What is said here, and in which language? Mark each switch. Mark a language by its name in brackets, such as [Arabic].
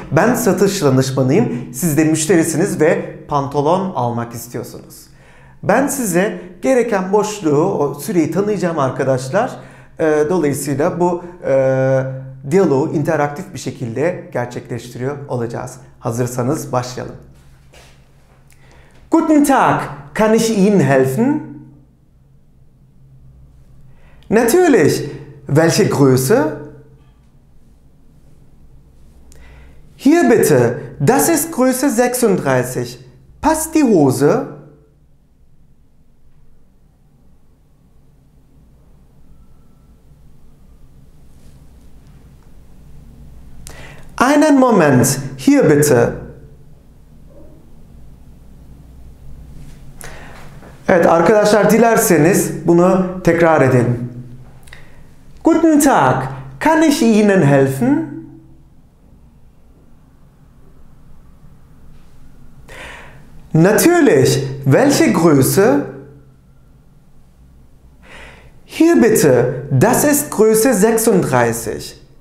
[Turkish] Ben satış danışmanıyım. Siz de müşterisiniz ve pantolon almak istiyorsunuz. Ben size gereken boşluğu, o süreyi tanıyacağım arkadaşlar. Dolayısıyla bu diyaloğu interaktif bir şekilde gerçekleştiriyor olacağız. Hazırsanız başlayalım. [German] Guten Tag, kann ich Ihnen helfen? Natürlich, welche Größe? Hier bitte, das ist Größe 36. Passt die Hose? Einen Moment, hier bitte. [Turkish] Evet arkadaşlar, dilerseniz bunu tekrar edin. [German] Guten Tag, kann ich Ihnen helfen? Natürlich, welche Größe? Hier bitte, das ist Größe 36.